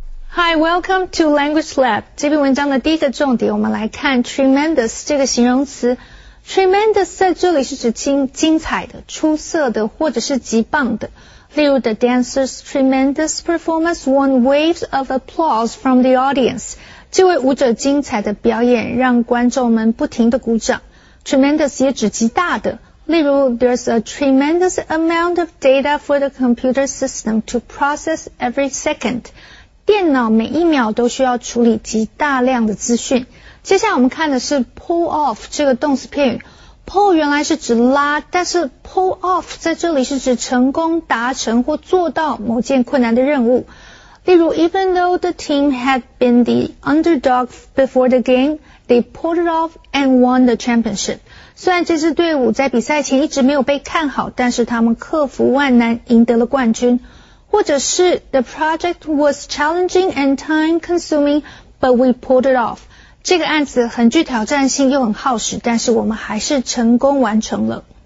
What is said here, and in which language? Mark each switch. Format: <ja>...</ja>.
<zh>Hi, welcome to Language Lab. 这篇文章的第一个重点，我们来看 tremendous 这个形容词。 Tremendous 在这里是指精彩的、出色的或者是极棒的。</zh> <en>例如 ,the dancer's tremendous performance won waves of applause from the audience.</en> <zh>这位舞者精彩的表演让观众们不停地鼓掌。</zh> <en>Tremendous 也指极大的。例如 ,there's a tremendous amount of data for the computer system to process every second.</en> <zh>电脑每一秒都需要处理极大量的资讯。接下来我们看的是 pull off 这个动词片语。pull 原来是指拉，但是 pull off 在这里是指成功达成或做到某件困难的任务。</zh> <en>例如 ,even though the team had been the underdog before the game, they pulled it off and won the championship.</en> <zh>虽然这支队伍在比赛前一直没有被看好，但是他们克服万难赢得了冠军。</zh> <en>或者是 The project was challenging and time-consuming, but we pulled it off.</en> <zh>这个案子很具挑战性又很耗时，但是我们还是成功完成了。</zh>